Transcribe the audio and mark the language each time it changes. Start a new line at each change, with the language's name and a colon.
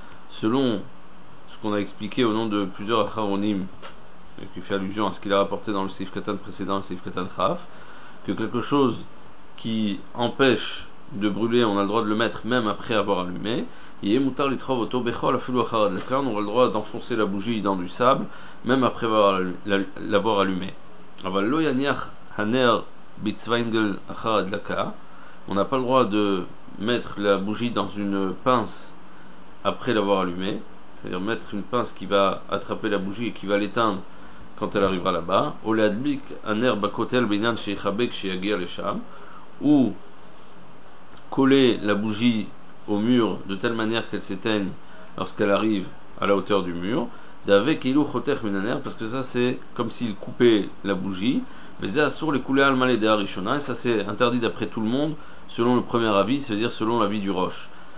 French: Selon ce qu'on a expliqué au nom de plusieurs acharonim, qui fait allusion à ce qu'il a rapporté dans le Seif Katan précédent, le Seif Katan Chaf, que quelque chose qui empêche de brûler, on a le droit de le mettre même après avoir allumé.
Hebrew: Yé mutar litrov oto bechol afilu achar hadlaka.
French: On aura le droit d'enfoncer la bougie dans du sable même après l'avoir allumé.
Hebrew: אבל לא יניח הנר בצוויינגל אחר הדלקה.
French: On n'a pas le droit de mettre la bougie dans une pince après l'avoir allumée, c'est-à-dire mettre une pince qui va attraper la bougie et qui va l'éteindre quand elle arrivera là-bas.
Hebrew: או להדביק הנר בכותל בעניין שיחבק שיגיע לשם.
French: Ou coller la bougie au mur de telle manière qu'elle s'éteigne lorsqu'elle arrive à la hauteur du mur.
Hebrew: D'avec ilu chotech minaner,
French: parce que ça c'est comme s'il coupait la bougie. Mais c'est assur le couler al malé de Harishona, et ça c'est interdit d'après tout le monde, selon le premier avis, c'est-à-dire selon l'avis du Rosh.